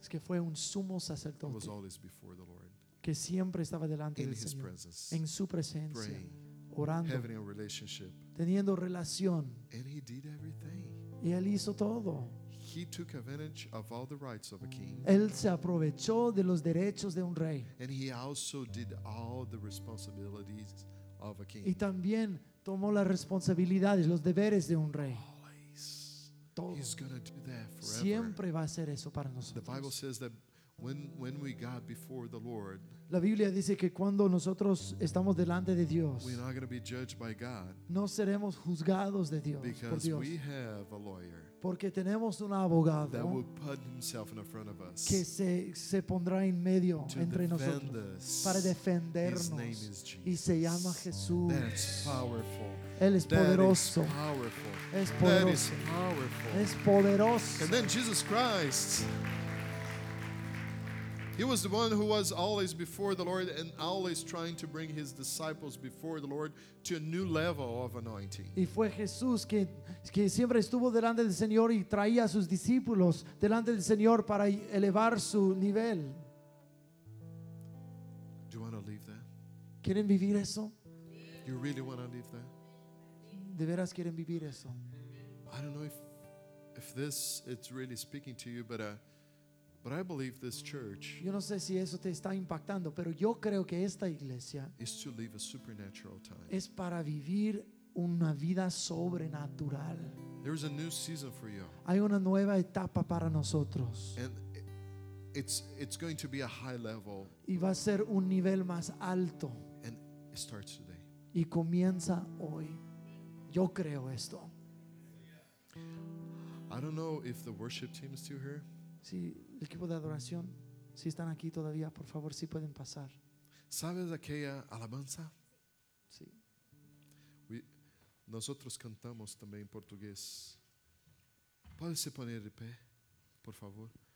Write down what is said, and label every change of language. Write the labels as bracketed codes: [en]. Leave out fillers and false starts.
[es] Es que fue un sumo sacerdote. [en] He was always before the Lord. [es] Que siempre estaba delante [en] in [es] del Señor. [en] Presence, [es] en su presencia. [en] Praying, [es] orando. [en] Having a relationship. [es] Teniendo relación. [en] And he did everything. [es] Y él hizo todo. [en] He took advantage of all the rights of a king. [es] Él se aprovechó de los derechos de un rey. [en] And he also did all the responsibilities of a king. [es] Y también tomó las responsabilidades, los deberes de un rey. [en] Always. [es] Todo. [en] He's going to do that forever. [es] Siempre va a hacer eso para nosotros. [en] The Bible says that when we got before the Lord, [es] la Biblia dice que cuando nosotros estamos delante de Dios, [en] we're not going to be judged by God. [es] No seremos juzgados de Dios. [en] Because [es] por Dios. [en] We have a lawyer. [es] Porque tenemos un abogado [en] that will put himself in front of us [es] que se pondrá en medio entre nosotros [en] us. [es] Para defendernos. [en] His name is Jesus. [es] Y se llama Jesús. [en] That's powerful. [es] Él es poderoso. [en] That is powerful. [es] Es poderoso. [en] That is powerful. [es] Es poderoso. [en] And then Jesus Christ He was the one who was always before the Lord and always trying to bring his disciples before the Lord to a new level of anointing. [es] Y fue Jesús que siempre estuvo delante del Señor y traía a sus discípulos delante del Señor para elevar su nivel. [en] Do you want to leave that? [es] ¿Quieren vivir eso? [en] You really want to leave that? [es] ¿De veras quieren vivir eso? [en] I don't know if this it's really speaking to you, but I believe this church. [es] Yo no sé si eso te está impactando, pero yo creo que esta iglesia [en] is to live a supernatural time. [es] Es para vivir una vida sobrenatural. [en] There is a new season for you. [es] Hay una nueva etapa para nosotros. [en] And it's going to be a high level. [es] Y va a ser un nivel más alto. [en] And it starts today. [es] Y comienza hoy. Yo creo esto. [en] I don't know if the worship team is still here. [es] Sí, el equipo de adoración, si están aquí todavía, por favor, si pueden pasar. ¿Sabes aquella alabanza? Sí. Nosotros cantamos también en portugués. ¿Puedes poner de pie, por favor?